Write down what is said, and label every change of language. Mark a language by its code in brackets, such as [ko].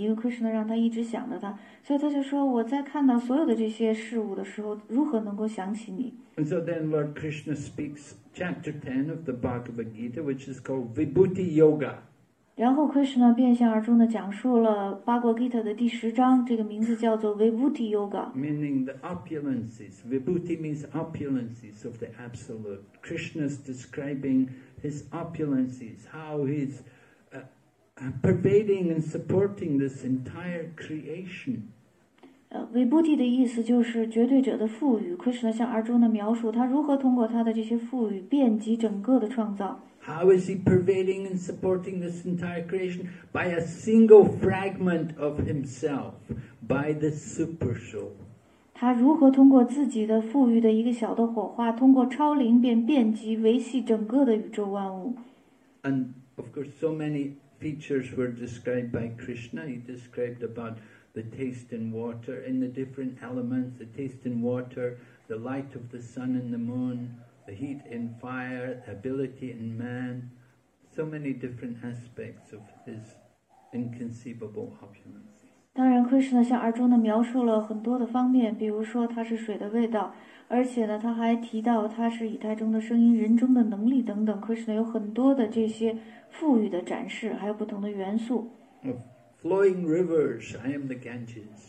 [zh] 因为 Krishna 让他一直想着他，所以他就说，我在看到所有的这些事物的时候，如何能够想起你？ [en] And so then Lord Krishna speaks chapter 10 of the Bhagavad Gita, which is called Vibhuti Yoga. [zh] 然后 Krishna 便向阿周呢讲述了 Bhagavad Gita 的第十章，这个名字叫做 Vibhuti Yoga. [en] Meaning the opulences. Vibhuti means opulences of the absolute. Krishna's describing his opulences, how he's pervading and supporting this entire creation. [zh] Vibhuti 的意思就是绝对者的赋予。Krishna 向阿周呢描述他如何通过他的这些赋予遍及整个的创造。 [en] How is he pervading and supporting this entire creation? By a single fragment of himself, by the super soul. [zh] 他如何通过自己的富裕的一个小的火花，通过超灵便遍及维系整个的宇宙万物。 [en] And of course, so many features were described by Krishna. He described about the taste in water, in the different elements, the taste in water, the light of the sun and the moon,The heat in fire, the ability in man, so many different aspects of his inconceivable opulence. [zh] 当然 ，Krishna 向阿周呢描述了很多的方面，比如说他是水的味道，而且呢他还提到他是以太中的声音、人中的能力等等。 Krishna 有很多的这些富裕的展示，还有不同的元素。 [en] Flowing rivers, I am the Ganges.